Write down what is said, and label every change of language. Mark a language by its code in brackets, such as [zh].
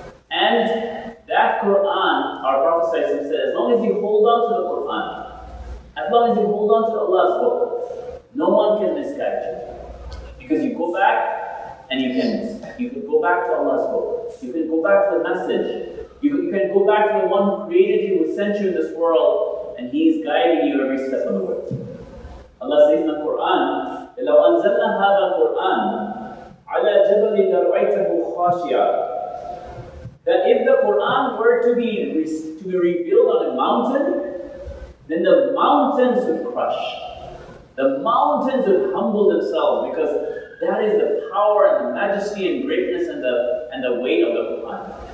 [en] And that Quran, our Prophet said, as long as you hold on to the Quran, as long as you hold on to Allah's book, no one can misguide you. Because you go back and you can go back to Allah's book. You can go back to the message. You can go back to the one who created you, who sent you in this world, and He is guiding you every step of the way. Allah says in the Quran, [ar] لَوْ أَنزَلْنَا هَذَا الْقُرْآنَ عَلَى جَبَلٍ لَرَأَيْتَهُ خَاشِعًا. [en] That if the Quran were to be revealed on a mountain, then the mountains would crush. The mountains would humble themselves, because that is the power and the majesty and greatness and the weight of the Quran.